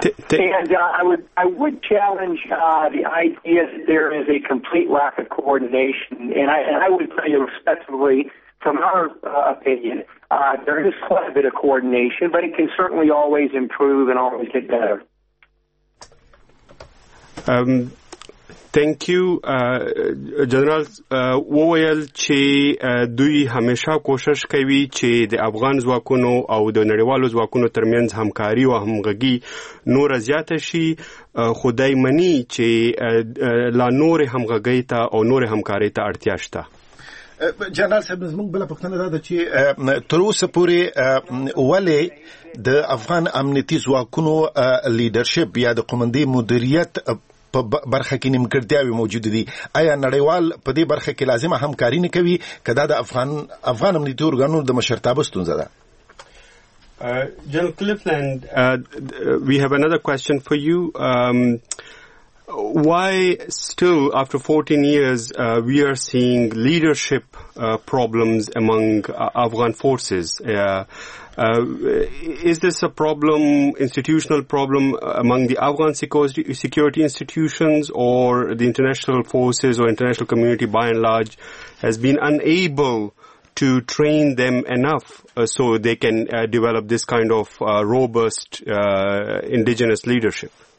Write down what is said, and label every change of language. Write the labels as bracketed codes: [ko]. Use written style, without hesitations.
[en] And I would challenge the idea that there is a complete lack of coordination. And I would tell you respectfully, from our opinion, there is quite a bit of coordination, but it can certainly always improve and always get better. Thank you. [ps] جنرال وویل چې دوی همیشه کوشش کوي چې د افغان ځواکونو او د نړیوالو ځواکونو ترمنځ همکاري او همغږي نوره زیاته شي، خو دی منی چې لا نور همغږۍ ته او نور همکاري ته اړتیا شته. جنرال صاحب، زموږ بله پوښتنه دا ده چې تر اوسه پورې ولې د افغان امنیتي ځواکونو لیډرشپ یا د قومندې مدیریت په برخه کې نیمګړتیاوې موجود دي؟ آیا نړیوال په دې برخه کې لازمه همکاري نه کوي که دا د افغان امنیتي ارګانونو د مشرتابه ستونزه ده؟ [en] General Cleveland, we have another question for you. Why still after 14 years we are seeing leadership problems among Afghan forces? Is this a problem, institutional problem among the Afghan security institutions, or the international forces or international community by and large has been unable to train them enough so they can develop this kind of robust indigenous leadership?